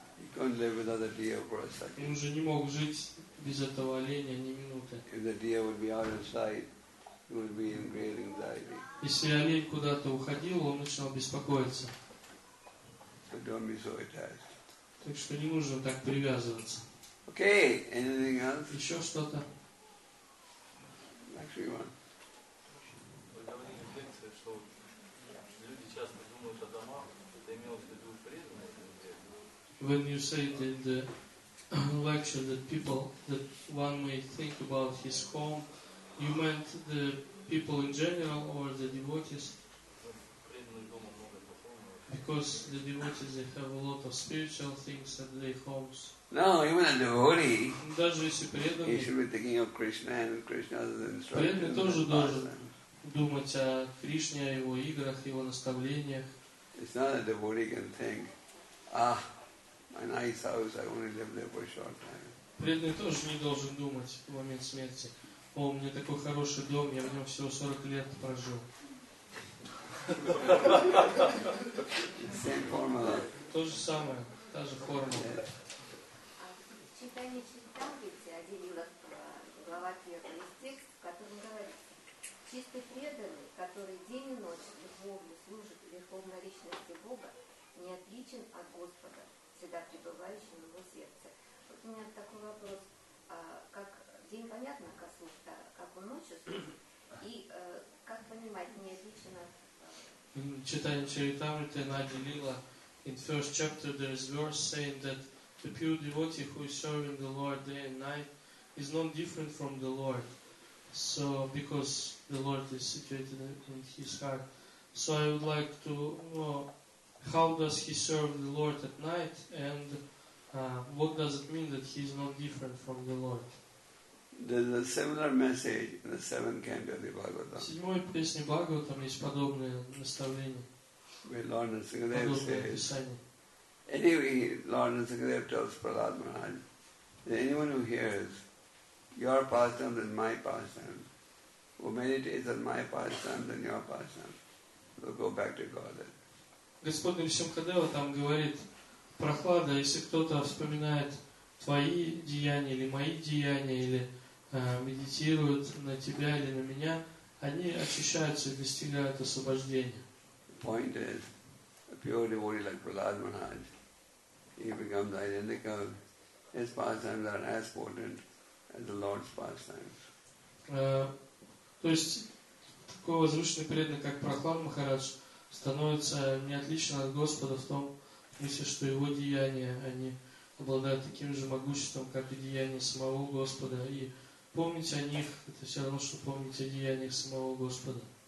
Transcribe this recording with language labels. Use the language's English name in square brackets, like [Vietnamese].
[English] He couldn't live without the deer for a second. [Russian] Он уже не мог жить без этого оленя ни минуты. [English] If the deer would be out of sight, he would be in great anxiety. [Russian] Если олень куда-то уходил, он начинал беспокоиться. [English] So don't be so attached. [Russian] Так что не нужно так привязываться. [English] Okay, anything else? [Russian] Еще что-то? [English] Next one. When you say it in the lecture that people, that one may think about his home, you meant the people in general or the devotees? Because the devotees, they have a lot of spiritual things at their homes. No, even a devotee, [Russian] даже если преданный, [English] he should be thinking of Krishna and Krishna's instructions. [Russian] Думать о Кришне, о его играх, его наставлениях. [English] It's not a devotee can think, ah, my nice house, I only live there for a short time. [Russian] Преданный тоже не должен думать в момент смерти. О, у меня такой хороший дом, я в нем всего 40 лет прожил. [English] Same formula. [Russian] То же самое, та же формула. А в читании Чайтанвити один глава первый из текст, в котором говорится, чистый преданный, который день и ночь духовно служит Верховной Личности Бога, не отличен от Господа, всегда пребывающего в его сердце. Вот у меня такой вопрос. Как день, понятно, как служит, как он ночью служит, и как понимать, не отличен от... Читаем [English] Чайтанвити, Нади Лила, in first chapter there is verse saying that the pure devotee who is serving the Lord day and night is not different from the Lord. So, because the Lord is situated in his heart. So I would like to know, how does he serve the Lord at night, and what does it mean that he is not different from the Lord? There's a similar message in the seventh canto of the Bhagavatam. [Russian] В седьмой песне Бхагаватам есть подобное наставление. [English] Where Lord Narasingadeva says, Anyway, Lord Nitsakadev tells Prahlad Maharaj that anyone who hears your pastime than my pastime, who meditates on my pastime than your pastime, will go back to Godhead. [Russian] Господь Нисимхадева там говорит, прохлада, если кто-то вспоминает твои деяния или мои деяния, или медитирует на тебя или на меня, они очищаются и достигают освобождения. [English] Point is, a pure devotee like Prahlad Maharaj, he becomes identical. His pastimes are as potent as the Lord's pastimes. [Russian] То есть, такой возвышенный преданный, как Прохлад Махарадж, становится неотлично от Господа в том смысле, что его деяния, они обладают таким же могуществом, как и деяния самого Господа. И помнить о них, это все равно, что помнить о деяниях самого Господа.